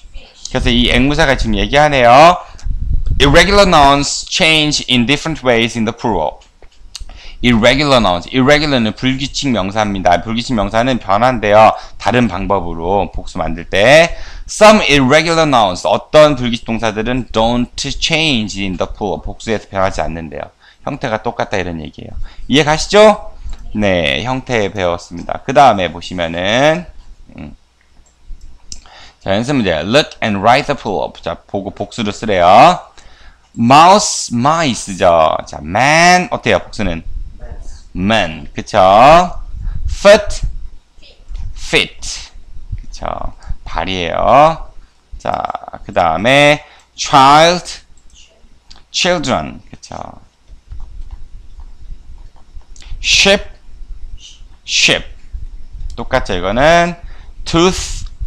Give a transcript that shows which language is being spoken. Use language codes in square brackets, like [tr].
[en] fish. [ko] 그래서 이 앵무새가 지금 얘기하네요. [en] Irregular nouns change in different ways in the plural. Irregular nouns. [ko] Irregular는 불규칙 명사입니다. 불규칙 명사는 변한대요. 다른 방법으로 복수 만들 때. [en] Some irregular nouns. [ko] 어떤 불규칙 동사들은 [en] don't change in the plural. [ko] 복수에서 변하지 않는데요. 형태가 똑같다 이런 얘기예요. 이해가시죠? 네, 형태 배웠습니다. 그 다음에 보시면은 자, 연습 문제. [en] Look and write the plural. [ko] 자, 보고 복수를 쓰래요. Mouse, mice죠. 자, man 어때요? 복수는 [en] man, [ko] 그쵸? [en] foot, feet, 그쵸? [ko] 발이에요. 자, 그 다음에 child, children, 그쵸? [en] sheep, sheep, [ko] 똑같죠? 이거는 tooth,